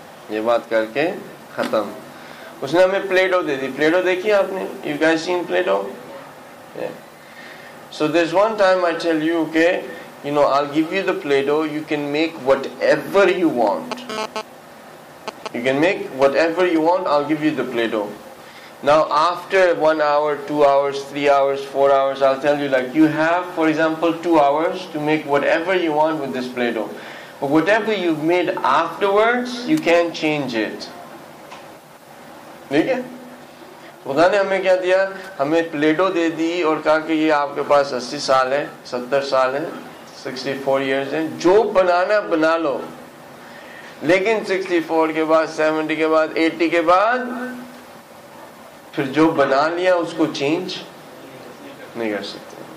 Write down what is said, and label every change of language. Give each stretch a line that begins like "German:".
Hindi: ये बात करके खत्म, उसने हमें प्लेटो दे दी। प्लेटो देखी आपने?
English: You guys seen Play-Doh? So this one time I tell you के you know I give you the Play-Doh, you can make whatever you want, you can make whatever you want, I'll give you the Play-Doh. Now after 1 hour, 2 hours, 3 hours, 4 hours, I'll tell you like, you have for example 2 hours to make whatever you want with this Play-Doh. But whatever you've made afterwards, you can't change it.
Hindi: ठीक है? खुदा ने हमें क्या दिया, हमें Play-Doh दे दी और कहा कि ये आपके पास 80 साल है, 70 साल है, 64 years है, जो बनाना बना लो, लेकिन 64 के बाद, 70 के बाद, 80 के बाद फिर जो बना लिया उसको चेंज नहीं कर सकते।